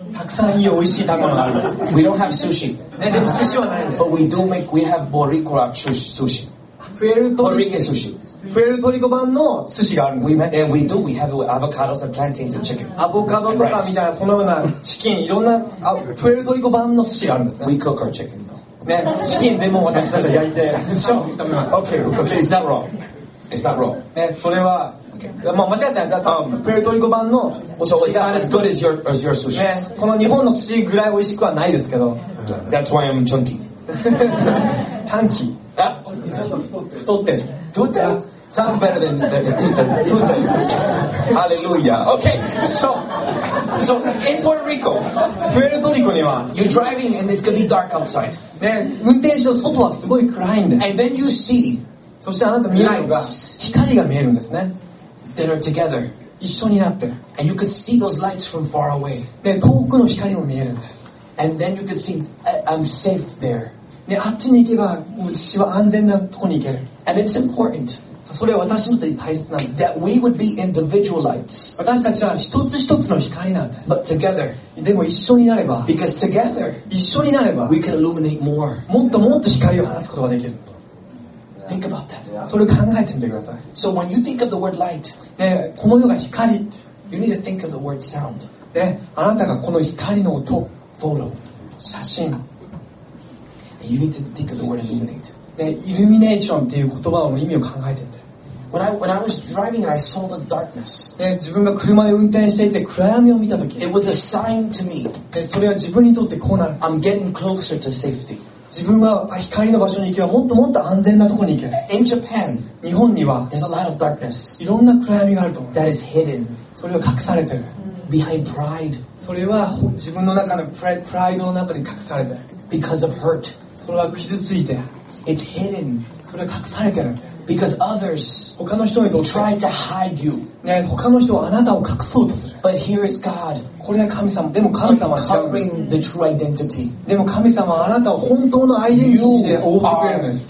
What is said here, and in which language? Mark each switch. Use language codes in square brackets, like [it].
[ja] たくさんいい美味しい食べ物があるんです。 [en] We don't have sushi. [ja] ね、でも寿司はないんです。 [en] But we do make, we have Boricua sushi. Puerto Rican sushi. [ja] Puerto Rico 版の寿司があるんですね。 [en] And we do, we have avocados and plantains and chicken. [ja] アボカドとかみたいな、そのようなチキン、いろんな、Puerto Rico 版の寿司があるんですね。 [en] We cook our chicken though. [ja] ね、チキンでも私たちは焼いて、そう、食べます。 [en] Okay, okay, is that wrong? Is that wrong? [ja] ね、それは、まあ、間違ってない。プエルトリコ版のお寿司が、 [en] as good as your sushi.、 [ja] ね、この日本の寿司ぐらい美味しくはないですけど。 [en] That's why I'm chunky. Tanky. Yeah. [ja] 太ってる。 [en] Tutte. Sounds better than tutte. Tutte. Hallelujah. Okay. So in Puerto Rico, [ja] プエルトリコには、 [en] you're driving and it's gonna be dark outside.、 [ja] ね、運転手の外はすごい暗いんです。 [en] And then you see, [ja] そしてあなた見えるのが、光が見えるんですね。 [en] That are together. [ja] 一緒になってる。 [en] And you could see those lights from far away. [ja] で、遠くの光も見えるんです。 [en] And then you could see, I'm safe there. [ja] で、あっちに行けば、私は安全なとこに行ける。 [en] And it's important. [ja] それは私にとって大切なんです。 [en] That we would be individual lights. [ja] 私たちは一つ一つの光なんです。 [en] But together. [ja] でも一緒になれば。 [en] Because together. [ja] 一緒になれば。 [en] We can illuminate more. [ja] もっともっと光を放つことができる。 [en] Think about that. [ja] それを考えてみてください。 [en] So when you think of the word light, [ja] ね、この世が光、 [en] you need to think of the word sound. [ja] ね、あなたがこの光の音、 [en] photo、 [ja] 写真、 [en] and you need to think of the word illuminate. [ja] ね、イルミネーションっていう言葉の意味を考えてみて。 [en] When I was driving, I saw the darkness. [ja] ね、自分が車で運転していて暗闇を見たとき、 [en] it was a sign to me. [ja] ね、それは自分にとってこうなる。 [en] I'm getting closer to safety. [ja] 自分は光の場所に行けばもっともっと安全なところに行ける。 [en] In Japan, [ja] 日本には [en] there's a lot of darkness. [ja] いろんな暗闇があると思う。 [en] That is hidden. [ja] それは隠されてる。 [en] Behind pride. [ja] それは自分の中のプライドの中に隠されてる。 [en] Because of hurt. [ja] それは傷ついて。 [en] It's hidden. [ja] それは隠されてるんです。 [en] Because others try to hide you. [ja] 네、他の人はあなたを隠そうとする。 [en] But here is God. [ja] これは神様。でも神様は違うんです。 [en] Covering the true identity. [ja] でも神様はあなたを本当のアイデンティティで覆ってくれるんです。